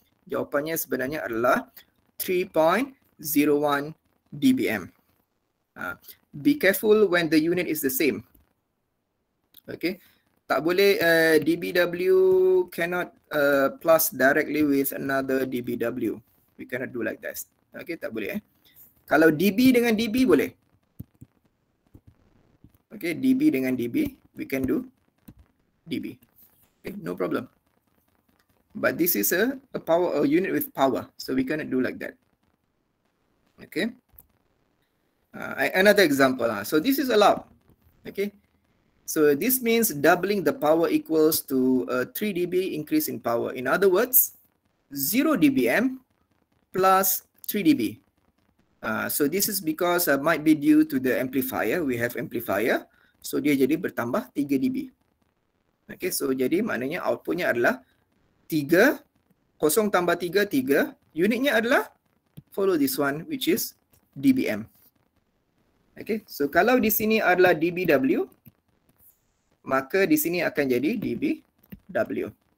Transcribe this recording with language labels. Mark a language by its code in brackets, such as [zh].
[ms] Jawapannya sebenarnya adalah 3.01 dBm. [en] Be careful when the unit is the same. Okay, [ms] tak boleh [en] dBw cannot plus directly with another dBw. We cannot do like that. Okay, tak boleh. [ms] Kalau dB dengan dB boleh. [en] Okay, [ms] dB dengan dB, [en] we can do dB. Okay, no problem. But this is a power, a unit with power. So we cannot do like that. Okay. Another example. So this is allowed. Okay. So this means doubling the power equals to a 3 dB increase in power. In other words, 0 dBm plus 3 dB. So this is because might be due to the amplifier. We have amplifier. [ms] So dia jadi bertambah 3 dB. Okay, so jadi maknanya outputnya adalah 3, 0 tambah 3, 3. Unitnya adalah [en] follow this one, which is dBm. [ms] Okay, so kalau di sini adalah dBw, maka di sini akan jadi dBw.